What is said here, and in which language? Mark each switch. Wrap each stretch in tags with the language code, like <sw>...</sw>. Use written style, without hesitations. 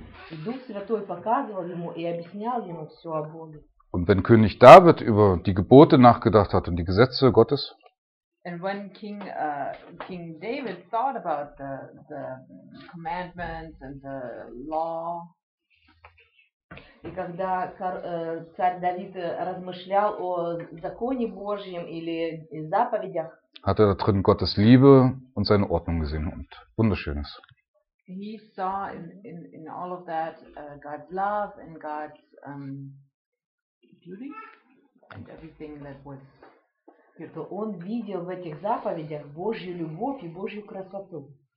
<ru>И Дух Святой показывал ему и объяснял ему все о Боге.</ru> <de>Und wenn König David über die Gebote nachgedacht hat und die Gesetze Gottes,</de> <en>and when King David thought about the commandments and the law,</en> <ru>и когда царь Давид размышлял о законе Божьем или заповедях,</ru> <de>hat er darin Gottes Liebe und seine Ordnung gesehen und Wunderschönes.</de> <en>He saw in all of that God's love and God's beauty and everything that was.</en> <ru>То он видел в этих заповедях Божью любовь и Божью красоту.</ru>